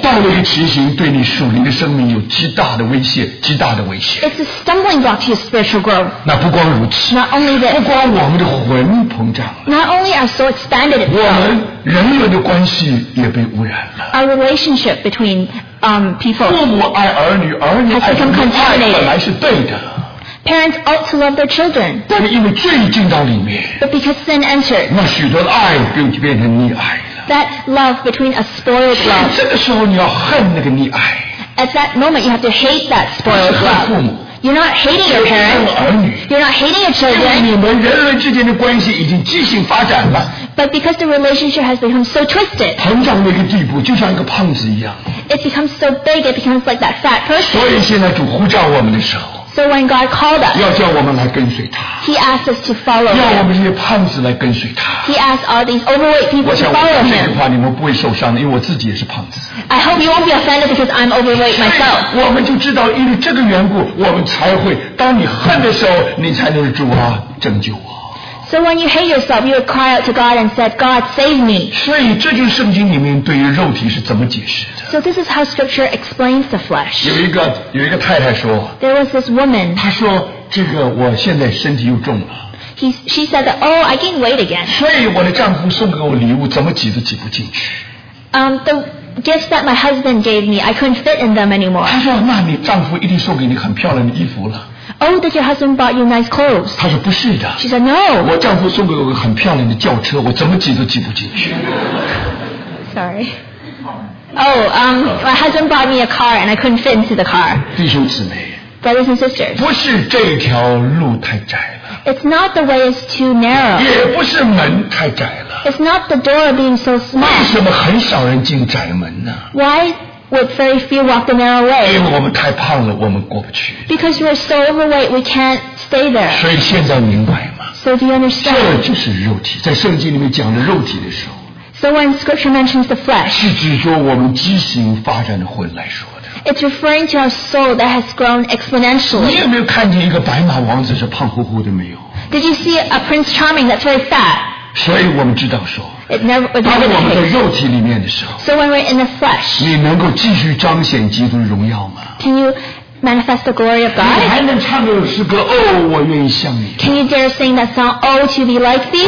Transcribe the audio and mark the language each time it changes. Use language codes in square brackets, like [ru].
[zh] 道路的畸形对你属灵的生命有极大的威胁。 [en] It's a stumbling block to your spiritual growth. [zh] 那不光如此, [en] not only this. [zh] 不光我们的魂膨胀, [en] not only our soul expanded itself. Our relationship between people [zh] 父母爱儿女, 儿女爱父母, [en] has become contaminated. Parents ought to love their children. [zh] 但因为罪进到里面, [en] but because sin entered, [zh] 那许多的爱就变成溺爱了, [en] that love between a spoiled love. [zh] 这个时候你要恨那个溺爱, [en] at that moment, you have to hate that spoiled love. [zh] 恨父母, [en] You're not hating your parents. You're not hating your children. [zh] 你们人与人之间的关系已经畸形发展了。 [en] But because the relationship has become so twisted. [zh] 膨胀那个地步，就像一个胖子一样。 [en] It becomes so big, it becomes like that fat person. [zh] 所以现在主呼召我们的时候。 [en] So when God called us, [zh] 要叫我们来跟随他, [en] He asked us to follow Him. [zh] 要我们这些胖子来跟随他, [en] He asked all these overweight people to follow Him. [zh] 我想我这句话你们不会受伤的，因为我自己也是胖子。 [en] I hope you won't be offended because I'm overweight myself. [zh] 我们就知道因为这个缘故，我们才会当你恨的时候，你才能主啊拯救我。 [en] So when you hate yourself, you would cry out to God and said, God, save me. [zh] 所以这就是圣经里面对于肉体是怎么解释的。 [en] So this is how scripture explains the flesh. [zh] 有一个太太说, [en] There was this woman. [zh] 她说, 这个我现在身体又重了。 [en] She said, that, oh, I gained weight again. [zh] 所以我的丈夫送给我礼物, 怎么挤都挤不进去。 [en] The gifts that my husband gave me, I couldn't fit in them anymore. [zh] 她说, 那你丈夫一定送给你很漂亮的衣服了。 [en] Oh, did your husband bought you nice clothes? [zh] 他说不是的。 [en] She said, no. [zh] 我丈夫送给我个很漂亮的轿车, 我怎么挤都挤不进去。 [en] Sorry. Oh, my husband bought me a car and I couldn't fit into the car. [zh] 弟兄姊妹, [en] Brothers and sisters. [zh] 不是这条路太窄了。 [en] It's not the way is too narrow. [zh] 也不是门太窄了。 [en] It's not the door being so small. [zh] 为什么很少人进窄门呢? [en] Why? Would very few walk the narrow way? [zh] 因为我们太胖了, [en] because we're so overweight, we can't stay there. [zh] 所以现在明白吗? [en] So do you understand? [zh] 这就是肉体, 在圣经里面讲的肉体的时候, [en] so when scripture mentions the flesh, [zh] 是指说我们畸形发展的魂来说的, [en] it's referring to our soul that has grown exponentially. [zh] 你有没有看见一个白马王子是胖乎乎的没有? [en] Did you see a Prince Charming that's very fat? [zh] 所以我们知道说, [en] it never, it never [zh] 当我们在肉体里面的时候, [en] so when we're in the flesh, [zh] 你能够继续彰显基督的荣耀吗? [en] Can you manifest the glory of God? [zh] 你还能唱个诗歌, oh, 我愿意像你, [en] can you dare sing that song, oh, to be like thee?